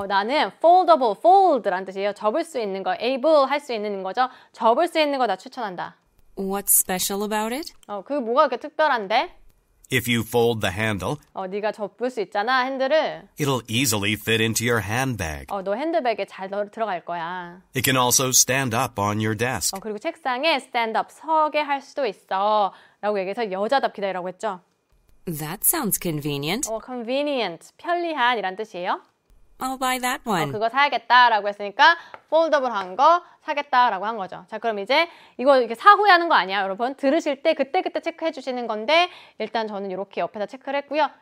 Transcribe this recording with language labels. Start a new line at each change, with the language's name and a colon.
Korean: 나는 foldable, fold란 뜻이에요. 접을 수 있는 거, able 할 수 있는 거죠. 접을 수 있는 거 나 추천한다.
English: What's special about it?
Korean: 그 뭐가 그렇게 특별한데?
English: If you fold the handle,
Korean: 네가 접을 수 있잖아, 핸들을.
English: It'll easily fit into your handbag.
Korean: 너 핸드백에 잘 들어갈 거야.
English: It can also stand up on your desk.
Korean: 그리고 책상에 stand up, 서게 할 수도 있어. 라고 얘기해서 여자답기다라고 했죠.
English: That sounds convenient.
Korean: Convenient, 편리한 이란 뜻이에요.
English: I'll buy that one.
Korean: 그거 사야겠다라고 했으니까 foldable한 거 사겠다라고 한 거죠. 자, 그럼 이제 이거 이렇게 사후에 하는 거 아니야, 여러분. 들으실 때 그때그때 체크해 주시는 건데 일단 저는 이렇게 옆에다 체크를 했고요.